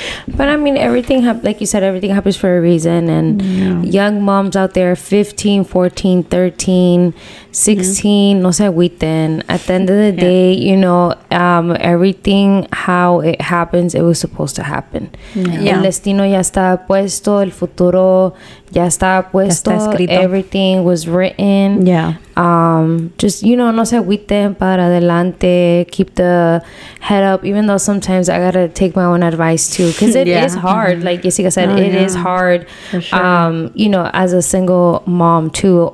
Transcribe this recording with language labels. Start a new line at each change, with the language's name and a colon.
English: But, I mean, everything, like you said, everything happens for a reason. And young moms out there, 15, 14, 13, 16,
Spanish: no se agüiten.
English: At the end of the day, you know, everything, how it happens, it was supposed to happen.
Spanish: El destino ya está puesto, el futuro ya está puesto. Ya está escrito.
English: Everything was written. Just, you know,
Spanish: no se agüiten, para adelante,
English: keep the head up, even though sometimes I gotta take my own advice too, because it is hard. Like Jessica said, is hard. For sure. You know, as a single mom too.